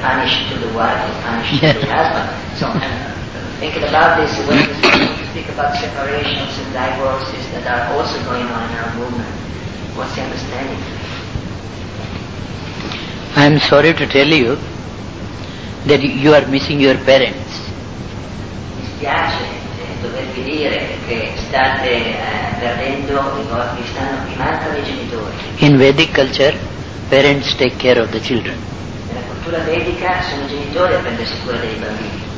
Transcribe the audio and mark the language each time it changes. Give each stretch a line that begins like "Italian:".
English: Punished to the wife or punished to the husband. So, thinking about this, when you speak about separations and divorces that are also going on in our movement, what's the understanding? I'm sorry to tell you that you are missing your parents.
Italian: Mi spiace dovervi dire che state perdendo i vostri, stanno mancano i genitori.
English: In Vedic culture, parents take care of the children.
Italian: Nella cultura vedica sono i genitori a prendersi cura dei bambini.